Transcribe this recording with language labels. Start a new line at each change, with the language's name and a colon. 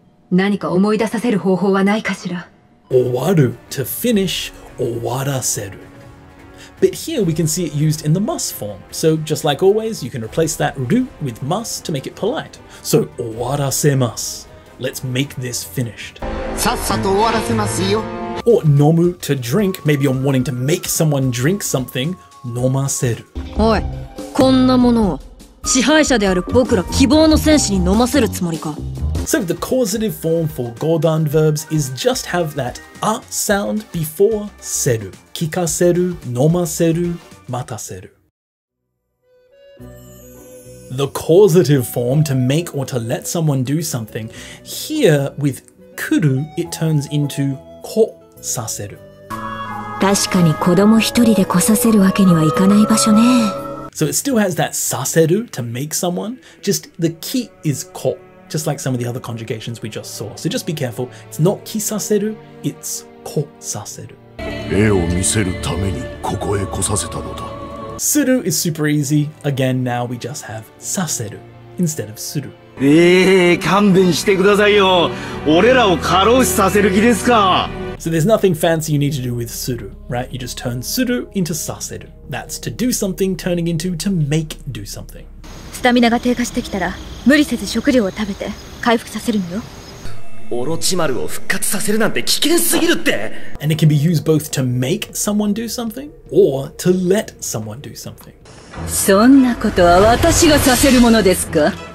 Japanese: 何か思い出させる方法はないかしら? 終わる,
English: to finish,
Japanese: 終わらせる.
English: But here we can see it used in the mas form. So just like always, you can replace that ru with mas to make it polite. So 終わらせます.Let's make this finished.
Japanese: さっさと終わらせますよ。
English: Or 飲む, to drink, maybe you're wanting to make someone drink something, 飲ませる。
Japanese: おい、こんなものを支配者である僕ら希望の戦士に飲ませるつもりか?
English: So the causative form for godan verbs is just have that a sound before せる。
Japanese: 聞かせる、飲ませる、待たせる。
English: The causative form to make or to let someone do something. Here, with 来る, it turns into こ。
Japanese: 確かに子供一人で来させるわけにはいかない場所ね。
English: So it still has that saseru to make someone, just the ki is ko, just like some of the other conjugations we just saw. So just be careful, it's not ki saseru, it's ko saseru.
Japanese: 絵を見せるためにここへ来させたのだ。
English: Suru is super easy, again now we just have saseru instead of suru.
Japanese: 勘弁してくださいよ。俺らを過労死させる気ですか?
English: So there's nothing fancy you need to do with suru, right? You just turn suru into saseru. That's to do something turning into to make do something.
Japanese: スタミナが低下してきたら、無理せず食料を食べて回復させるのよ。オロチマルを復活させるなんて危険すぎるって!
English: And it can be used both to make someone do something or to let someone do something.
Japanese: そんなことは私がさせるものですか?